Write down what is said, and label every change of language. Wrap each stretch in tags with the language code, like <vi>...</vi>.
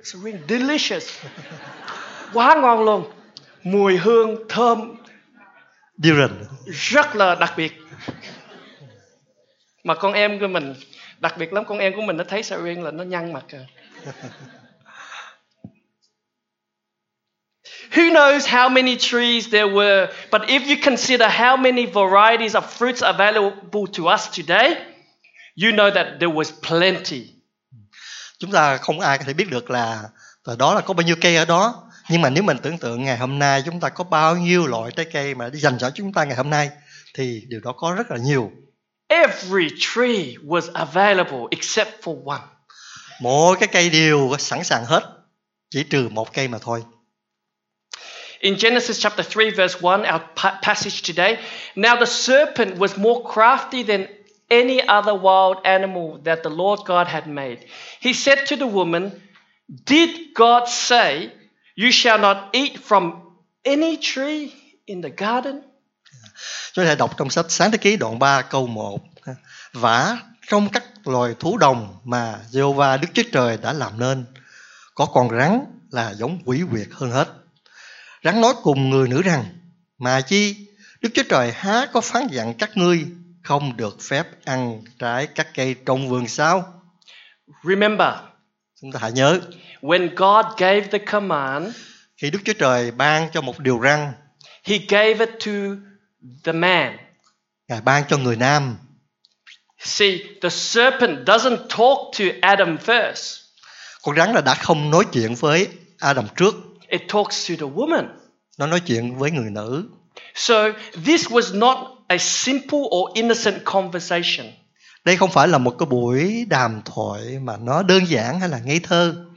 <en>Syringe delicious.</en> <vi>Quá ngon luôn. Mùi hương thơm. Durian. Rất là đặc biệt. Mà con em của mình, đặc biệt lắm, con em của mình nó thấy syringe là nó nhăn mặt.</vi> <en>Who knows how many trees there were, but if you consider how many varieties of fruits available to us today, you know that there was plenty.</en> <vi>Chúng ta không ai có thể biết được là đó là có bao nhiêu cây ở đó. Nhưng mà nếu mình tưởng tượng ngày hôm nay chúng ta có bao nhiêu loại trái cây mà dành cho chúng ta ngày hôm nay, thì điều đó có rất là nhiều.</vi> <en>Every tree was available except for one.</en> <vi>Mỗi cái cây đều sẵn sàng hết, chỉ trừ một cây mà thôi.</vi> <en>In Genesis chapter 3 verse 1, our passage today, now the serpent was more crafty than any other wild animal that the Lord God had made. He said to the woman, "Did God say, 'You shall not eat from any tree in the garden?'"</en> <vi>Chúng ta đọc trong sách Sáng Thế Ký đoạn 3 câu 1. Vả trong các loài thú đồng mà Jehovah Đức Chúa Trời đã làm nên, có con rắn là giống quỷ quyệt hơn hết. Rắn nói cùng người nữ rằng, mà chi Đức Chúa Trời há có phán dặn các ngươi không được phép ăn trái các cây trong vườn sao?</vi> <en>Remember,</en> <vi>chúng ta hãy nhớ,</vi> <en>when God gave the command,</en> <vi>khi Đức Chúa Trời ban cho một điều răn,</vi> <en>He gave it to the man.</en> <vi>Ngài ban cho người nam.</vi> <en>See, the serpent doesn't talk to Adam first.</en> <vi>Con rắn là đã không nói chuyện với Adam trước.</vi> <en>It talks to the woman.</en> <vi>Nó nói chuyện với người nữ.</vi> <en>So this was not a simple or innocent conversation.</en> <vi>Đây không phải là một cái buổi đàm thoại mà nó đơn giản hay là ngây thơ.</vi>